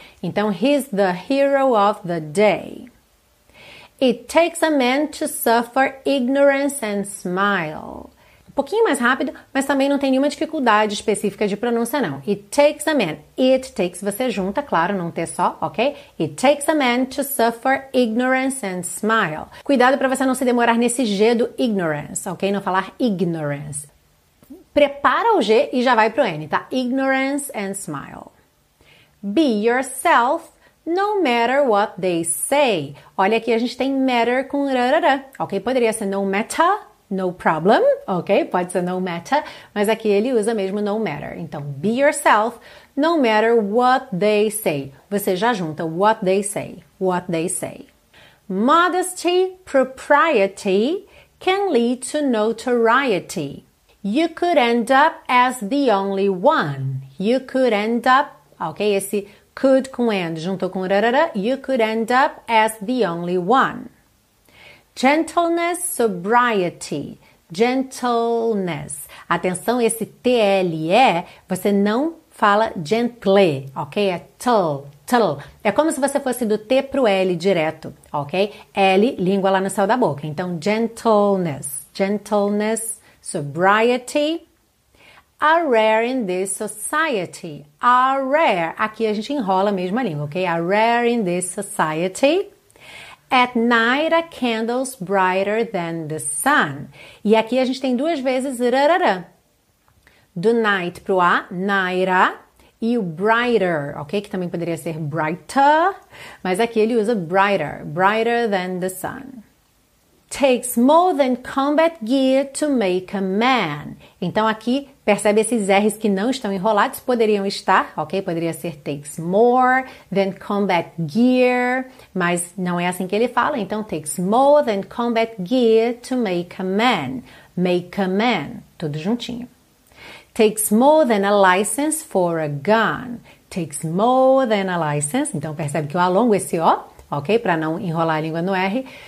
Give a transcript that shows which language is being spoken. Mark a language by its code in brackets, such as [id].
[en] Então, he's the hero of the day. It takes a man to suffer ignorance and smile. [pt] Um pouquinho mais rápido, mas também não tem nenhuma dificuldade específica de pronúncia, não. [en] It takes a man. [pt] It takes, você junta, claro, num T só, ok? [en] It takes a man to suffer ignorance and smile. [pt] Cuidado para você não se demorar nesse G do ignorance, ok? Não falar ignorance. Prepara o G e já vai pro N, tá? [en] Ignorance and smile. Be yourself, no matter what they say. [pt] Olha aqui, a gente tem matter com rarara, ok? Poderia ser no matter. [en] No problem, [pt] ok? Pode ser no matter, mas aqui ele usa mesmo no matter. [en] Então, be yourself, no matter what they say. [pt] Você já junta [en] what they say, what they say. Modesty, propriety can lead to notoriety. You could end up as the only one. You could end up, ok? [pt] Esse could com and junto com rarara, [en] you could end up as the only one. Gentleness, sobriety, gentleness. [pt] Atenção, esse T-L-E, você não fala gently, ok? É tl, tl. É como se você fosse do T pro L direto, ok? L, língua lá no céu da boca. Então, [en] gentleness, gentleness, sobriety. A rare in this society, a rare. [pt] Aqui a gente enrola a mesma língua, ok? [en] A rare in this society. At night, a candle's brighter than the sun. [pt] E aqui a gente tem duas vezes rarara. Do night pro a, naira. E o brighter, ok? Que também poderia ser brighter. Mas aqui ele usa brighter. [en] Brighter than the sun. takes more than combat gear to make a man. [pt] Então, aqui, percebe esses R's que não estão enrolados, poderiam estar, ok? Poderia ser [en] takes more than combat gear, [pt] mas não é assim que ele fala. [en] Então, takes more than combat gear to make a man. Make a man, [pt] tudo juntinho. [en] Takes more than a license for a gun. Takes more than a license. [pt] Então, percebe que eu alongo esse O, ok? Para não enrolar a língua no R.